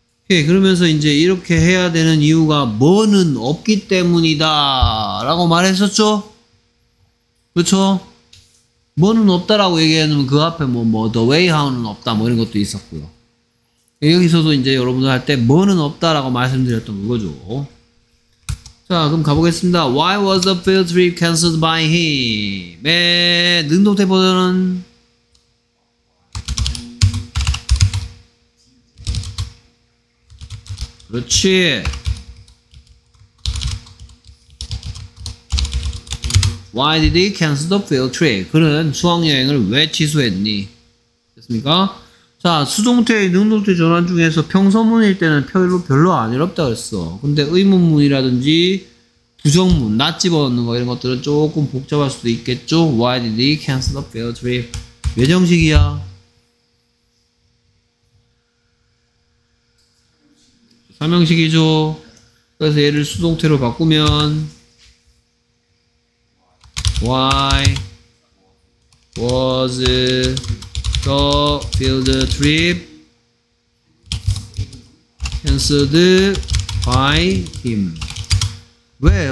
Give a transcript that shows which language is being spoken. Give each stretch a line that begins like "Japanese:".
Korean: 예, 그러면서 이제 이렇게 해야 되는 이유가 뭐는 없기 때문이다 라고 말했었죠? 그쵸? 뭐는 없다라고 얘기하면 그 앞에 뭐
English: the way how
Korean: 는 없다 뭐 이런 것도 있었고요. 여기서도 이제 여러분들 할 때 뭐는 없다라고 말씀드렸던 거죠. 자, 그럼 가보겠습니다.
English: Why was the field trip cancelled by him?
Korean: 네, 능동태 버전은 그렇지.
English: 'Why did he cancel the field trip?'
Korean: 그는 수학여행을 왜 취소했니? 됐습니까? 자, 수동태의 능동태 전환 중에서 평소문일 때는 별로 안 어렵다고 했어. 근데 의문문이라든지 부정문, 낯집어넣는 거 이런 것들은 조금 복잡할 수도 있겠죠?
English: 'Why did he cancel the field trip?'
Korean: 왜 정식이야? 3형식이죠. 그래서 얘를 수동태로 바꾸면
English: Why was the field trip cancelled by him?
Korean: 왜?